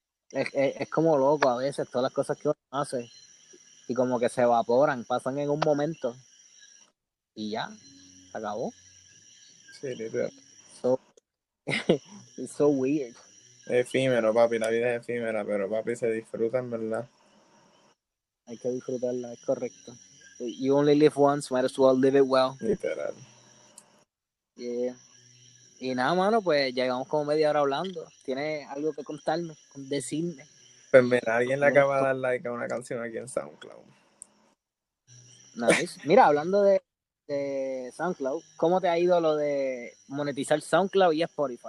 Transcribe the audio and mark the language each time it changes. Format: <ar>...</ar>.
<es>Es como loco a veces todas las cosas que uno hace. Y como que se evaporan, pasan en un momento. Y ya, se acabó. Sí, literal.</es> <en>So, it's so weird.</en> <es>Efímero, papi, la vida es efímera, pero papi, se disfruta en verdad. Hay que disfrutarla, es correcto.</es> <en>You only live once, might as well live it well.</en> <es>Literal. Yeah. Y nada, mano, pues llegamos como media hora hablando. ¿Tienes algo que contarme, decirme? Pues mira, alguien le acaba de dar like a una canción aquí en SoundCloud.</es> <en>Nice.</en> <es>Mira, hablando de SoundCloud, ¿cómo te ha ido lo de monetizar SoundCloud y Spotify?</es>